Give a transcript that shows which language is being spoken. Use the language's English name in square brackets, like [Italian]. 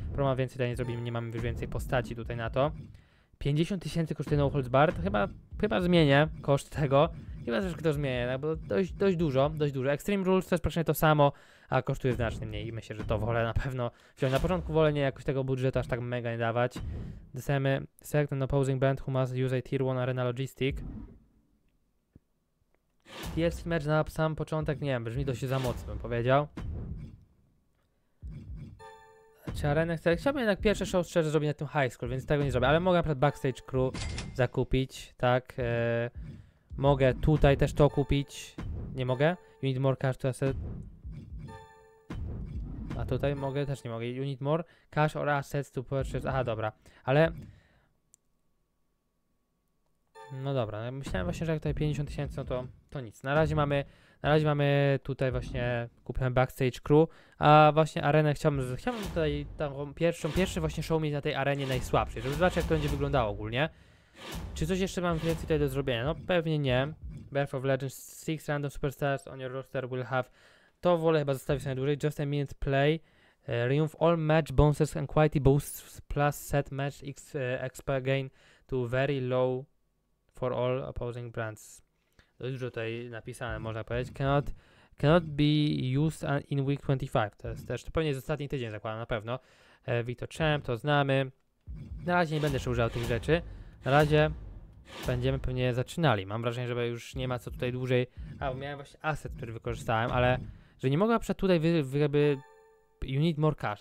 [Polish] Promo więcej tutaj nie zrobimy, nie mamy już więcej postaci tutaj na to. 50 tysięcy kosztuje No Holds Barred, to chyba zmienię koszt tego. Chyba troszkę to zmienię, bo dość dużo. Extreme Rules też praktycznie to samo, a kosztuje znacznie mniej i myślę, że to wolę na pewno wziąć. Na początku wolę nie jakoś tego budżetu aż tak mega nie dawać. Dostajemy [English] Select an opposing brand who must use a Tier 1 Arena Logistic. [Polish] TLC match na sam początek, nie wiem, brzmi dość za mocno, bym powiedział. Czy arenę chcę? Chciałbym jednak pierwsze show szczerze zrobić na tym High School, więc tego nie zrobię, ale mogę na przykład Backstage Crew zakupić, tak? Mogę tutaj też to kupić. Nie mogę? [English] You need more cash to asset. [Polish] A tutaj mogę? Też nie mogę. [English] You need more cash or assets to purchase. [Polish] Aha, dobra. Ale... No dobra, no myślałem właśnie, że jak tutaj 50 tysięcy, no to nic. Na razie mamy tutaj właśnie, kupiłem Backstage Crew, a właśnie arenę chciałbym tutaj tam pierwszy właśnie show mieć na tej arenie najsłabszej, żeby zobaczyć, jak to będzie wyglądało ogólnie. Czy coś jeszcze mam więcej tutaj do zrobienia? No pewnie nie. [English] Birth of Legends, 6 random superstars on your roster will have. [Polish] To wolę chyba zostawić sobie dłużej. [English] Just a minute play. Remove all match bonuses and quality boosts plus set match XP gain to very low for all opposing brands. [Polish] Dość dużo tutaj napisane, można powiedzieć. [English] Cannot be used in week 25. [Polish] To jest też, to pewnie jest ostatni tydzień, zakładam na pewno. Victor Champ, to znamy. Na razie nie będę jeszcze używał tych rzeczy. Na razie będziemy pewnie zaczynali. Mam wrażenie, że już nie ma co tutaj dłużej. A, bo miałem właśnie asset, który wykorzystałem, ale że nie mogę przed tutaj jakby [English] you need more cash.